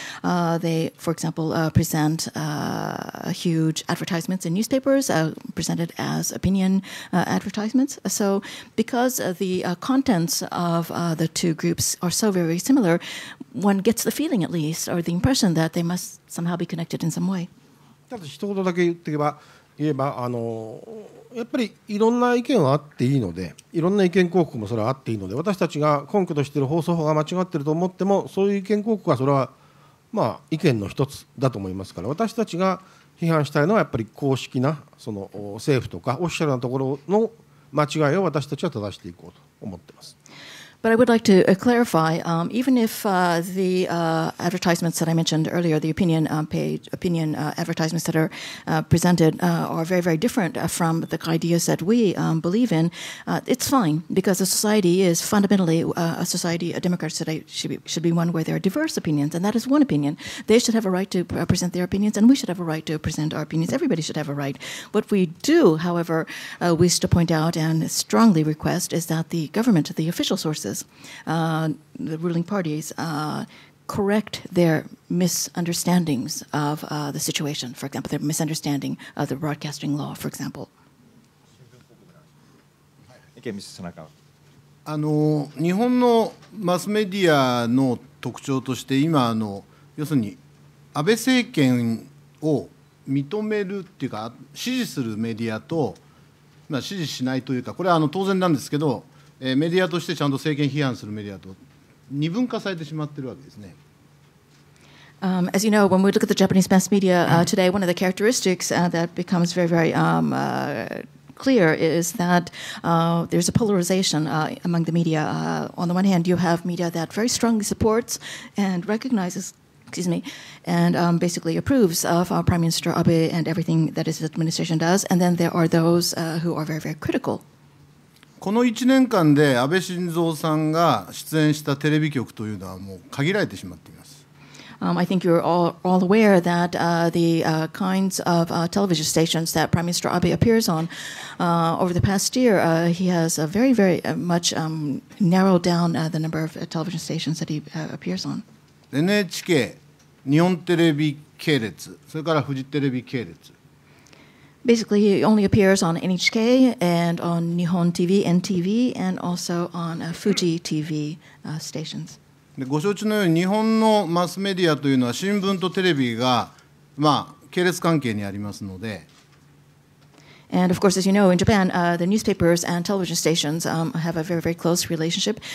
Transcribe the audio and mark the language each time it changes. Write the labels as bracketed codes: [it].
[en] They, for example, present huge advertisements in newspapers, presented as opinion advertisements. So because the contents of the two groups are so very similar, one gets the feeling at least, or the impression that they must somehow be connected in some way. [ja] ただ一言だけ言えばやっぱりいろんな意見はあっていいのでいろんな意見広告もそれはあっていいので私たちが根拠としている放送法が間違っていると思ってもそういう意見広告はそれはまあ意見の一つだと思いますから私たちが批判したいのはやっぱり公式なその政府とかオフィシャルなところの間違いを私たちは正していこうと思っています。 [en] But I would like to clarify, even if the advertisements that I mentioned earlier, the opinion page, opinion advertisements that are presented are very, very different from the ideas that we believe in, it's fine because a society is fundamentally a society, a democratic society should be one where there are diverse opinions, and that is one opinion. They should have a right to present their opinions, and we should have a right to present our opinions. Everybody should have a right. What we do, however, wish to point out and strongly request is that the government, the official source, the ruling parties correct their misunderstandings of the situation, for example, their misunderstanding of the broadcasting law, for example. Okay, Mr. Tanaka. [ja] 日本のマスメディアの特徴として今要するに安倍政権を認めるっていうか支持するメディアと、まあ、支持しないというかこれは当然なんですけどメディアとしてちゃんと政権批判するメディアと二分化されてしまっているわけですね。 [en] As you know, when we look at the Japanese mass media today, one of the characteristics that becomes very, very clear is that there's a polarization among the media. On the one hand, you have media that very strongly supports and recognizes, and basically approves of Prime Minister Abe and everything that his administration does. And then there are those who are very, very critical. [ja] この1年間で安倍晋三さんが出演したテレビ局というのはもう限られてしまっています。 [en] I think you're all aware that the kinds of television stations that Prime Minister Abe appears on over the past year, he has very, very much narrowed down the number of television stations that he appears on. [ja] NHK、日本テレビ系列、それからフジテレビ系列。 [en] Basically, he only appears on NHK and on Nihon TV, NTV, and also on Fuji TV stations. [ja] で、ご承知のように日本のマスメディアというのは新聞とテレビが、まあ、系列関係にありますので。 [en] And of course, as you know, in Japan, the newspapers and television stations have a very, very close relationship.